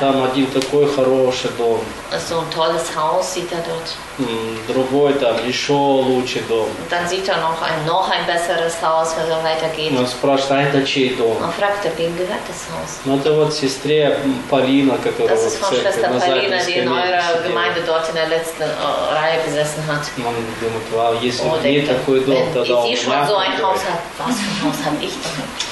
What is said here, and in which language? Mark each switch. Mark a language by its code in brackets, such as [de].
[ru] Там один такой хороший дом. [de] So ein tolles Haus sieht dort. [ru] Другой там еще лучший дом. [de] Und dann sieht noch ein besseres Haus, wenn er weitergeht. [ru] Он спрашивает, а это чей дом? [de] Und fragt, wem gehört das Haus? [ru] Ну, это вот сестре Полина, которая [de] das ist von [ru] церкви, [de] Schwester Polina, Zeit, die in eurer Gemeinde dort in der letzten Reihe gesessen hat. [ru] Он думает, вау, если бы не такой дом, тогда он [de] so ein Haus hat, was für ein Haus habe ich denn?